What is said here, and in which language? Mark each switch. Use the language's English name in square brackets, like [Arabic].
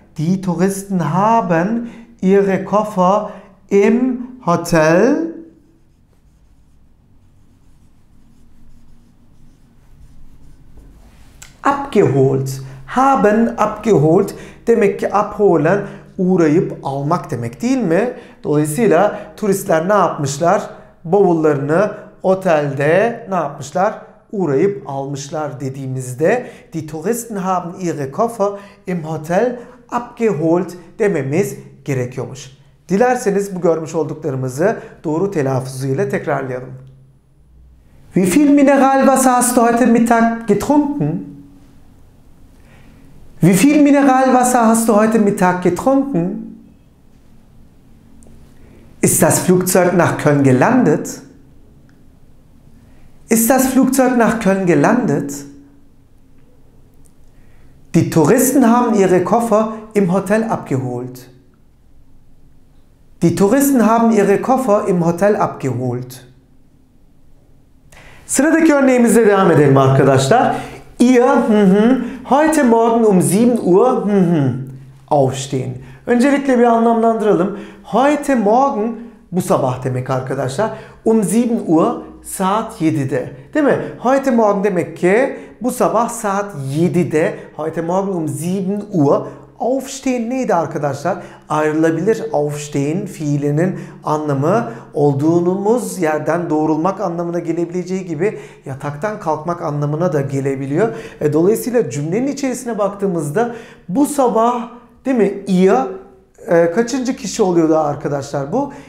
[German] Die Touristen haben ihre Koffer im Hotel abgeholt. [Turkish] Haben abgeholt demek ki abholen, uğrayıp almak demek, değil mi? Dolayısıyla turistler ne yapmışlar? Bavullarını otelde ne yapmışlar? Uğrayıp almışlar dediğimizde [German] die Touristen haben ihre Koffer im Hotel abgeholt [Turkish] dememiz gerekiyormuş. Dilerseniz bu görmüş olduklarımızı doğru telaffuzuyla tekrarlayalım. [German] Wie viel Mineralwasser hast du heute Mittag getrunken? Wie viel Mineralwasser hast du heute Mittag getrunken? Ist das Flugzeug nach Köln gelandet? Ist das Flugzeug nach Köln gelandet? Die Touristen haben ihre Koffer im Hotel abgeholt. Die Touristen haben ihre Koffer im Hotel abgeholt. [Turkish] Sıradaki örneğimize devam edelim arkadaşlar. [German] Ihr, heute morgen 7 Uhr, aufstehen. [Turkish] Öncelikle bir anlamlandıralım. [German] Heute morgen, [Turkish] bu sabah demek arkadaşlar. 7 Uhr, saat 7'de. Değil mi? [German] Heute morgen [Turkish] demek ki bu sabah saat 7'de. [German] Heute morgen 7 Uhr, aufstehen [Turkish] neydi arkadaşlar? Ayrılabilir, aufstehen fiilinin anlamı olduğumuz yerden doğrulmak anlamına gelebileceği gibi yataktan kalkmak anlamına da gelebiliyor. Dolayısıyla cümlenin içerisine baktığımızda bu sabah, değil mi? Ihr kaçıncı kişi oluyordu arkadaşlar bu?